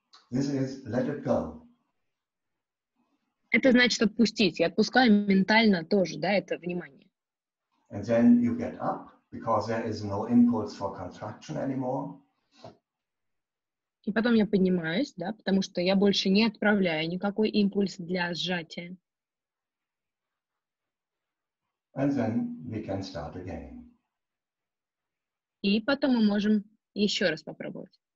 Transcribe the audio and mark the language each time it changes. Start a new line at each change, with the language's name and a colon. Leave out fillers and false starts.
English: This is let it go.
Russian: Это значит отпустить. Я отпускаю ментально тоже, да, это внимание.
English: And then you get up, because there is no impulse for contraction anymore.
Russian: И потом я поднимаюсь, да, потому что я больше не отправляю никакой импульс для сжатия.
English: And then we can start again.
Russian: И потом мы можем еще раз попробовать.